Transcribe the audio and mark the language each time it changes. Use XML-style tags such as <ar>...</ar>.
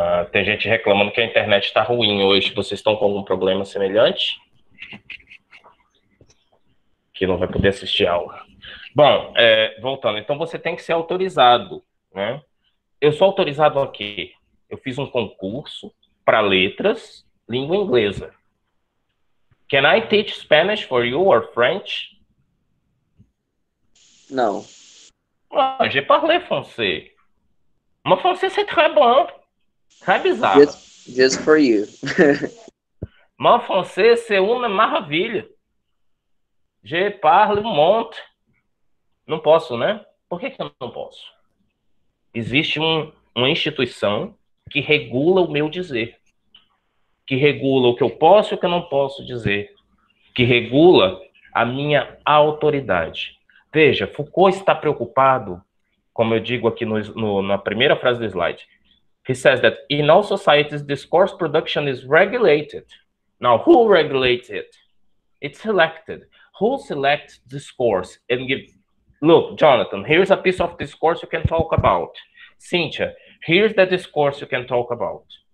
<pt>tem gente reclamando que a internet está ruim hoje. Vocês estão com algum problema semelhante? Que não vai poder assistir a aula. Bom, voltando. Então você tem que ser autorizado, né? Eu sou autorizado a quê? Eu fiz um concurso para letras, língua inglesa.</pt> <en>Can I teach Spanish for you or French?</en> <pt>Não.</pt> <fr>Ah, je parle français. Mas français c'est très bon. Très bizarre.</fr> <en>Just for you.</en> <fr>Mon français, c'est une maravilha. Je parle un monte.</fr> <pt>Não posso, né? Por que eu não posso? Existe uma instituição que regula o meu dizer. Que regula o que eu posso e o que eu não posso dizer. Que regula a minha autoridade. Veja, Foucault está preocupado, como eu digo aqui na primeira frase do slide.</pt> <en>He says that in all societies, discourse production is regulated. Now, who regulates it? It's selected. Who selects discourse and gives... Look, Jonathan, here's a piece of discourse you can talk about. Cynthia, here's the discourse you can talk about.</en>